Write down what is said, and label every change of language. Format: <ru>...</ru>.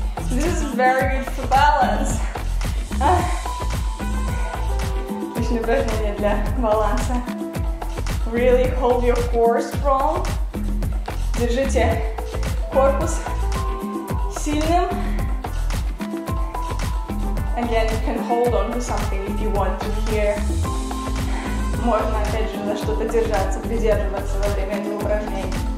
<en>This is very good for balance.</en> <ru>Отличное упражнение для баланса.</ru> <en>Really hold your core strong.</en> <ru>Держите корпус сильным.</ru> <en>Again, you can hold on to something if you want to here.</en> <ru>Можно, опять же, на что-то держаться, придерживаться во время этого упражнения.</ru>